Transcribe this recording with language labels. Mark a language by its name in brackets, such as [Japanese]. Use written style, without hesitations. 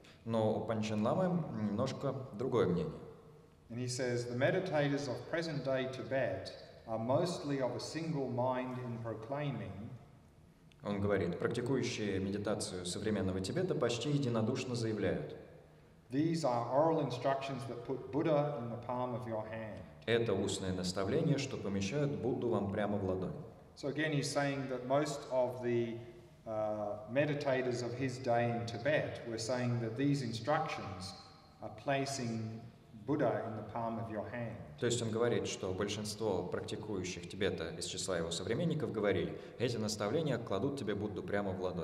[Russian] Но у Панчен Ламы немножко другое мнение. [English] And he says, the meditators of present-day Tibet are mostly of a single mind in proclaiming. [Russian] Он говорит, практикующие медитацию современного Тибета почти единодушно заявляют. [English] These are oral instructions that put Buddha in the palm of your hand. [Russian] Это устное наставление, что помещает Будду вам прямо в ладонь. [English] So again, he's saying that most of the meditators of his day in Tibet were saying that these instructions are placing Buddha in the palm of your hand. [Russian] То есть он говорит, что большинство практикующих Тибета из числа его современников говорили, эти наставления кладут тебе Будду прямо в